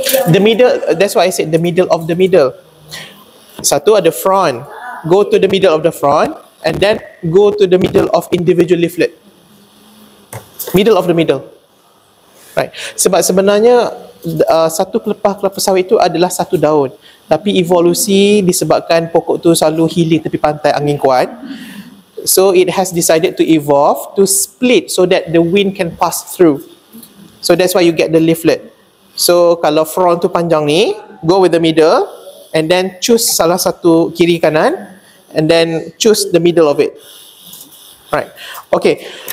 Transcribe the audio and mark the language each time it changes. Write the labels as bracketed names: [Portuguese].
[English] The middle, that's why I said the middle of the middle. [Malay] Satu ada front. [English] Go to the middle of the front and then go to the middle of individual leaflet. Middle of the middle. Right. [Malay] Sebab sebenarnya satu pelepah kelapa sawit itu adalah satu daun. Tapi evolusi disebabkan pokok tu selalu hilir tepi pantai angin kuat. [English] So it has decided to evolve to split so that the wind can pass through. So that's why you get the leaflet. So [Malay] kalau front tu panjang ni, [English] go with the middle and then choose [Malay] salah satu kiri kanan [English] and then choose the middle of it. Right. Okay.